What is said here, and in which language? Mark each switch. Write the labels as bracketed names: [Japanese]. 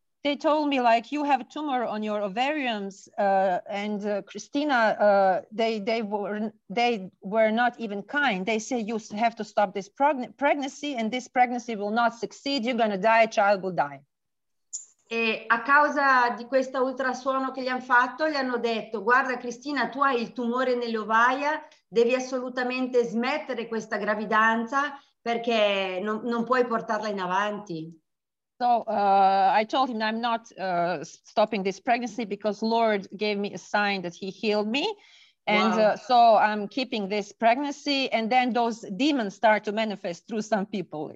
[English] They told me like you have a tumor on your ovaries and Christina they were not even kind. They say you have to stop this pregnancy and this pregnancy will not succeed. You're going to die, child will die. [Italian] E a causa di questo ultrasuono che gli hanno fatto, gli hanno detto "Guarda Cristina, tu hai il tumore nelle ovaie, devi assolutamente smettere questa gravidanza perché non puoi portarla in avanti." [English] So I told him I'm not stopping this pregnancy because Lord gave me a sign that he healed me. And wow. So I'm keeping this pregnancy. And then those demons start to manifest through some people.